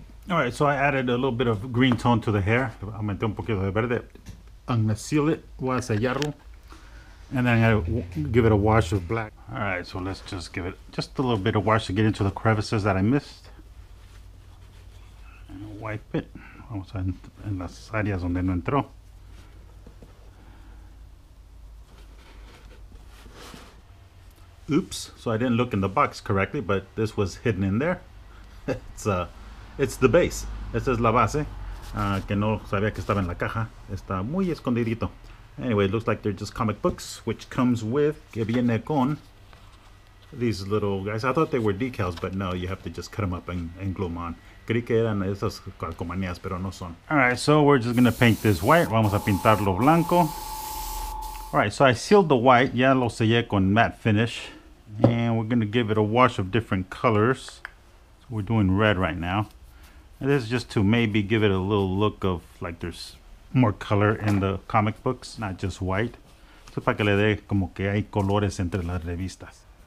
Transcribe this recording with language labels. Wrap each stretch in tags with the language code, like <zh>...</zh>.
<en>Alright, so I added a little bit of green tone to the hair.</en> <es>Aumenté un poquito de verde.</es> <en>I'm gonna seal it.</en> <es>Voy a sellarlo.</es> <en>And then I gotta give it a wash of black. Alright, so let's just give it just a little bit of wash to get into the crevices that I missed. And wipe it.</en> <es>Vamos a en las áreas donde no entró.</es> <en>Oops, so I didn't look in the box correctly, but this was hidden in there. It's the base.</en> <es>Esta es la base. Que no sabía que estaba en la caja. Está muy escondidito.</es> <en>Anyway, it looks like they're just comic books, which comes with,</en> <es>que viene con,</es> <en>these little guys. I thought they were decals, but no, you have to just cut them up and glue them on.</en> <es>Creí que eran esas calcomanías, pero no son.</es> <en>All right, so we're just gonna paint this white.</en> <es>Vamos a pintarlo blanco.</es> <en>All right, so I sealed the white.</en> <es>Ya lo sellé con matte finish.</es> <en>And we're gonna give it a wash of different colors. So we're doing red right now. And this is just to maybe give it a little look of like there's more color in the comic books, not just white.</en> <es>So para que le dé como que hay colores entre las revistas.</es>